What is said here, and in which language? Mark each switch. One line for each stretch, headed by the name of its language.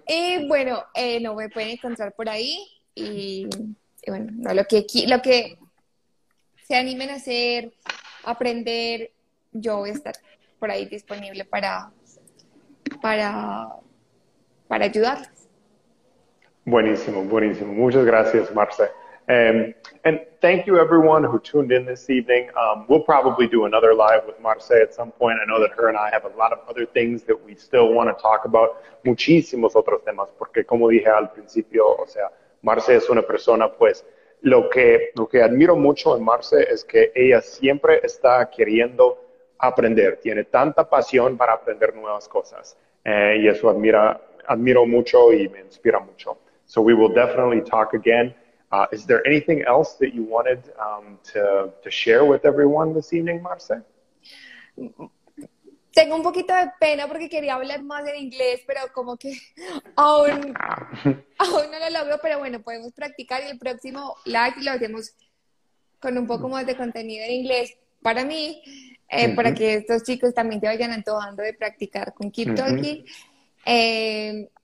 Spanish: Y bueno, no me pueden encontrar por ahí y bueno, no, lo que se animen a hacer, aprender, yo voy a estar por ahí disponible para ayudarles. Buenísimo. Muchas gracias, Marce.
English: And thank you everyone who tuned in this evening. We'll probably do another live with Marce at some point. I know that her and I have a lot of other things that we still want to talk about.
Spanish: Muchísimos otros temas, porque como dije al principio, o sea, Marce es una persona, pues, lo que admiro mucho en Marce es que ella siempre está queriendo aprender. Tiene tanta pasión para aprender nuevas cosas. Y eso admiro mucho y me inspira mucho.
English: So we will definitely talk again. Is there anything else that you wanted to share with everyone this evening, Marce?
Spanish: Tengo un poquito de pena porque quería hablar más en inglés, pero como que aún no lo logro, pero bueno, podemos practicar y el próximo live lo hacemos con un poco más de contenido en inglés para mí, mm-hmm. para que estos chicos también se vayan antojando de practicar con Keep Talking. Mm-hmm.